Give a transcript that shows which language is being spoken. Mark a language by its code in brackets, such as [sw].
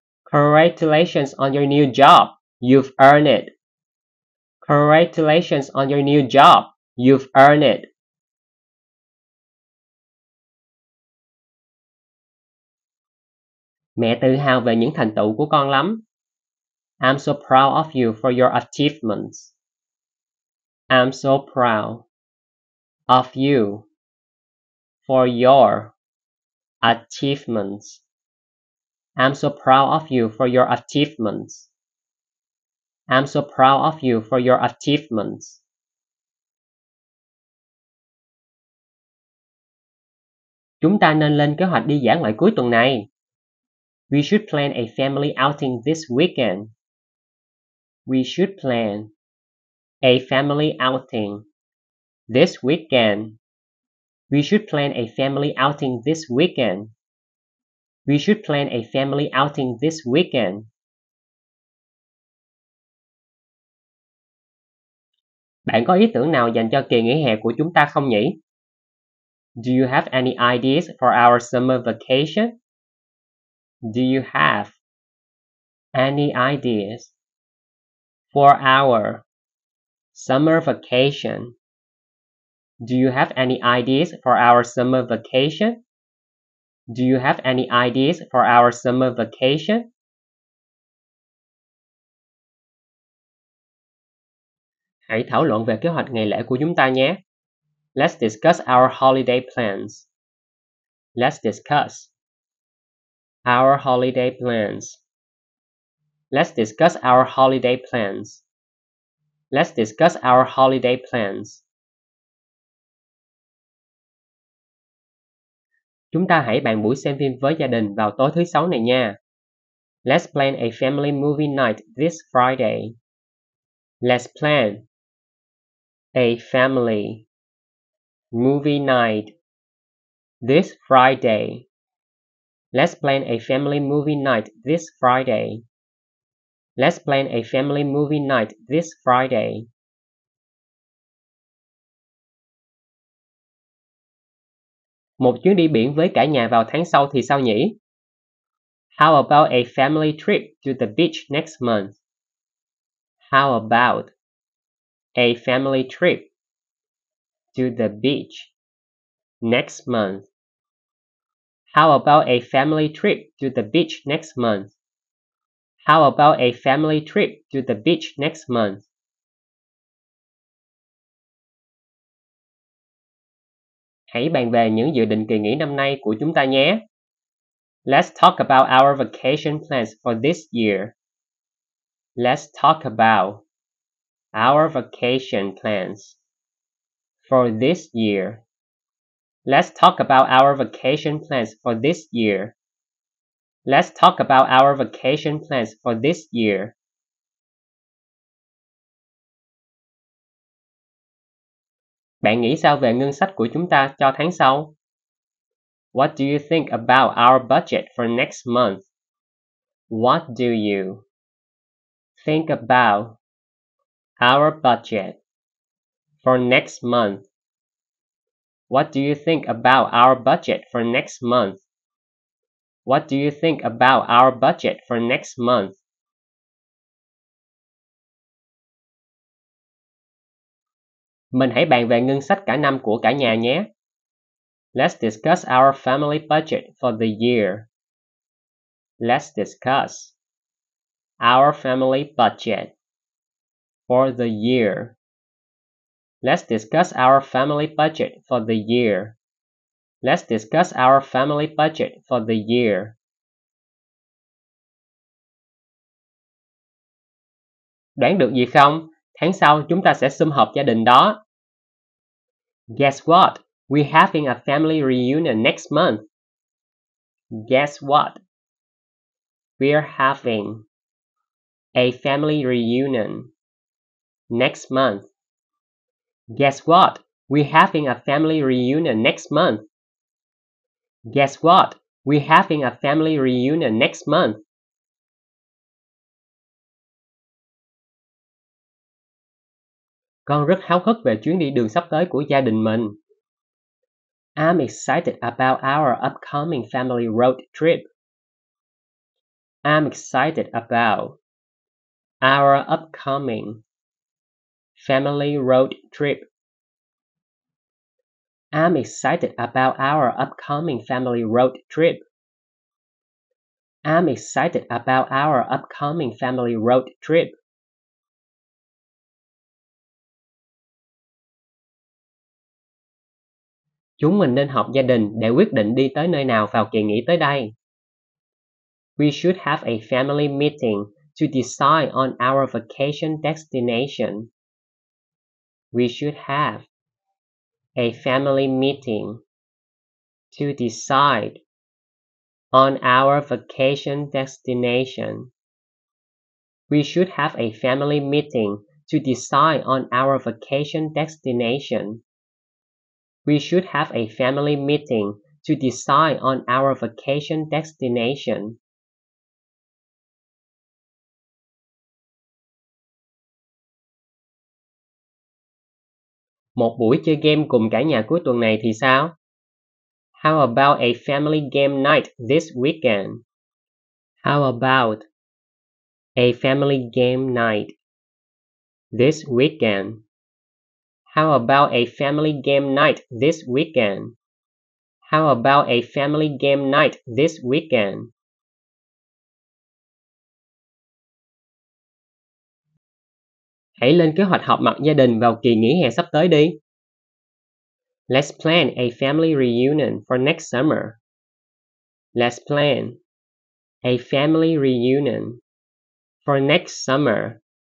[en] Congratulations on your new job. You've earned it. Congratulations on your new job. You've earned it. [vi] Mẹ tự hào về những thành tựu của con lắm. [en] I'm so proud of you for your achievements. I'm so proud of you for your achievements. I'm so proud of you for your achievements. I'm so proud of you for your achievements. [vi] Chúng ta nên lên kế hoạch đi dã ngoại cuối tuần này. [en] We should plan a family outing this weekend. We should plan a family outing this weekend. We should plan a family outing this weekend. We should plan a family outing this weekend. [vi] Bạn có ý tưởng nào dành cho kỳ nghỉ hè của chúng ta không nhỉ? [en] Do you have any ideas for our summer vacation? Do you have any ideas for our summer vacation? Do you have any ideas for our summer vacation? Do you have any ideas for our summer vacation? [vi] Hãy thảo luận về kế hoạch ngày lễ của chúng ta nhé. [en] Let's discuss our holiday plans. Let's discuss our holiday plans. Let's discuss our holiday plans. Let's discuss our holiday plans. [vi] Chúng ta hãy bàn buổi xem phim với gia đình vào tối thứ sáu này nha. [en] Let's plan a family movie night this Friday. Let's plan a family movie night this Friday. Let's plan a family movie night this Friday. Let's plan a family movie night this Friday. [vi] Một chuyến đi biển với cả nhà vào tháng sau thì sao nhỉ? [en] How about a family trip to the beach next month? How about a family trip to the beach next month? How about a family trip to the beach next month? How about a family trip to the beach next month? [vi] Hãy bàn về những dự định kỳ nghỉ năm nay của chúng ta nhé. [en] Let's talk about our vacation plans for this year. Let's talk about our vacation plans for this year. Let's talk about our vacation plans for this year. Let's talk about our vacation plans for this year. [vi] Bạn nghĩ sao về ngân sách của chúng ta cho tháng sau? [en] What do you think about our budget for next month? What do you think about our budget for next month? What do you think about our budget for next month? What do you think about our budget for next month? [vi] Mình hãy bàn về ngân sách cả năm của cả nhà nhé. [en] Let's discuss our family budget for the year. Let's discuss our family budget for the year. Let's discuss our family budget for the year. Let's discuss our family budget for the year. [vi] Đoán được gì không? Tháng sau chúng ta sẽ sum họp gia đình đó. [en] Guess what? We're having a family reunion next month. Guess what? We're having a family reunion next month. Guess what? We're having a family reunion next month. Guess what? We're having a family reunion next month. [vi] Con rất háo hức về chuyến đi đường sắp tới của gia đình mình. [en] I'm excited about our upcoming family road trip. I'm excited about our upcoming family road trip. I'm excited about our upcoming family road trip. I'm excited about our upcoming family road trip. [vi] Chúng mình nên họp gia đình để quyết định đi tới nơi nào vào kỳ nghỉ tới đây. [en] We should have a family meeting to decide on our vacation destination. We should have a family meeting to decide on our vacation destination. We should have a family meeting to decide on our vacation destination. We should have a family meeting to decide on our vacation destination. [vi] Một buổi chơi game cùng cả nhà cuối tuần này thì sao? [en] How about a family game night this weekend? How about a family game night this weekend? How about a family game night this weekend? How about a family game night this weekend? [vi] Hãy lên kế hoạch họp mặt gia đình vào kỳ nghỉ hè sắp tới đi. [en] Let's plan a family reunion for next summer. Let's plan a family reunion for next summer.